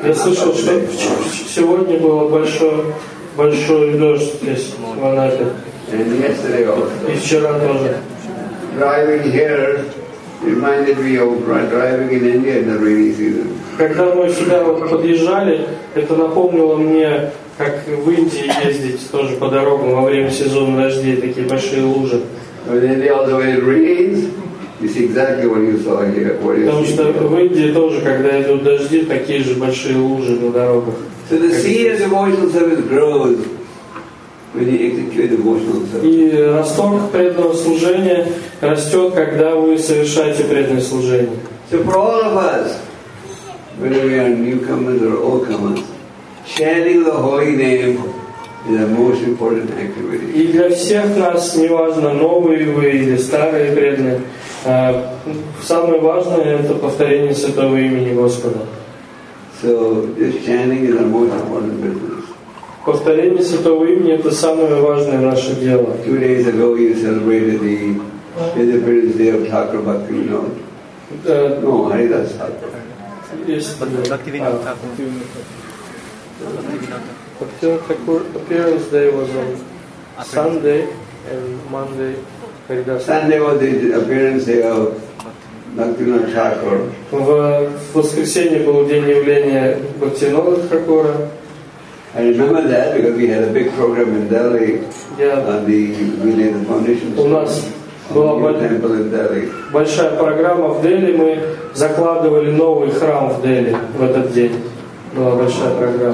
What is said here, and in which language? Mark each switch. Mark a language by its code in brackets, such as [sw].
[ru] Я слышал, что сегодня было большой дождь здесь в Анапе. [en] And yesterday also. [ru] И вчера тоже. [en] Driving here. Reminded me of driving in India in the rainy season. [ru] Когда мы сюда подъезжали, это напомнило мне, как в Индии ездить тоже по дорогам во время сезона дождей, такие большие лужи. [en] When in India also it rains, it's exactly what you saw here. [ru] Потому что в Индии тоже, когда идут дожди, такие же большие лужи на дорогах. [en] So the sea of emotional service grows. When you execute devotional service. [ru] И восторг преданного служения растет, когда вы совершаете преданное служение. [en] So for all of us, whether we are newcomers or old comers, chanting the holy name is the most important activity. [ru] И для всех нас, неважно, новые вы или старые преданные, самое важное – это повторение святого имени Господа. [en] So this chanting is the most important business. [ru] Повторение Святого Имени – это самое важное наше дело. [en] Two days ago you celebrated the Independence Day of Thakur Bhakti Vinod. No, Haridas Thakur. Yes, Bhakti Vinod. Appearance Day was on Sunday and Monday Haridas. Sunday was the Appearance Day of Bhakti Vinod Thakur. [ru] В воскресенье был день явления Бхакти Винода Тхакура. [en] I remember that because we had a big program in Delhi. Yeah. On the we laid the foundation [ru] stone. У нас была большая программа в Дели. Мы закладывали новый храм в Дели в этот день. Была большая программа.